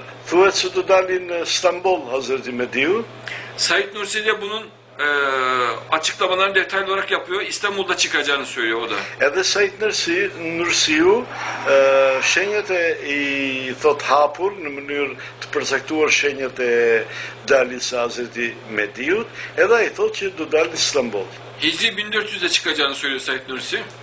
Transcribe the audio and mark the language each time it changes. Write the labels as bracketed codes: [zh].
[sq] Thuhet se do dalin në Stambol Hazreti Mehdi'u. [tr] Said Nursi'de bunun açıklamalarını detaylı olarak yapıyor. İstanbul'da çıkacağını söylüyor o da. [sq] Edhe Said Nursi'u shenjet e i thot hapur në mënyrë të përcaktuar shenjet e daljes Hazreti Mehdi'ut, edhe i thot që do dalin Stambol. [tr] Hicri 1400'de çıkacağını söylüyor Said Nursi.